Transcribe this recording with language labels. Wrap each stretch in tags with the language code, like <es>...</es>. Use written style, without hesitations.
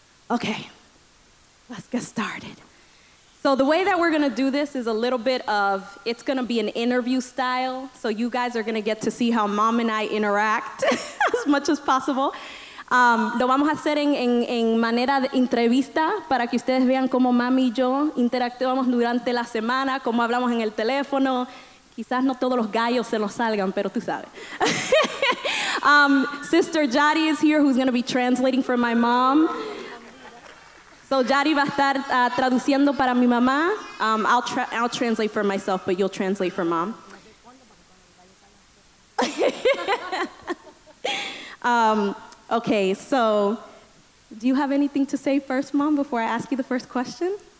<en>Okay, let's get started. So the way that we're gonna do this is a little bit of, it's gonna be an interview style, so you guys are gonna get to see how mom and I interact as much as possible.</en> <es>Lo vamos a hacer en manera de entrevista para que ustedes vean cómo mami y yo interactuamos durante la semana, cómo hablamos en el teléfono. Quizás no todos los gallos se nos salgan, pero tú sabes.</es> <en>Sister Jadi is here, who's gonna be translating for my mom.</en> <es>So Jadi va a estar traduciendo para mi mamá.</es> <en>I'll translate for myself, but you'll translate for mom. Okay, so do you have anything to say first, mom, before I ask you the first question?</en>